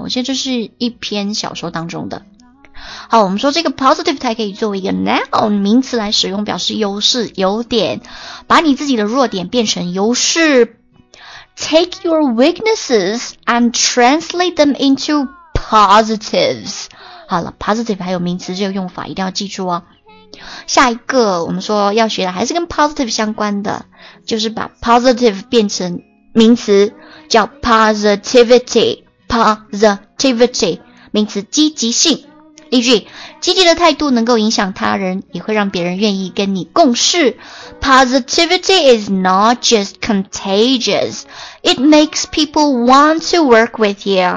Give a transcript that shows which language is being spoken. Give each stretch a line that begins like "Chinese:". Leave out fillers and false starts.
Chinese: 我觉得这是一篇小说当中的。好，我们说这个 positive 它可以作为一个 noun 名词来使用，表示优势、优点。把你自己的弱点变成优势。
English: Take your weaknesses and translate them into positives.
Chinese: 好了 ,positive 还有名词这个用法一定要记住哦。下一个我们说要学的还是跟 positive 相关的，就是把 positive 变成名词叫 positivity, 名词积极性。例句，积极的态度能够影响他人，也会让别人愿意跟你共事。
English: Positivity is not just contagious, it makes people want to work with you.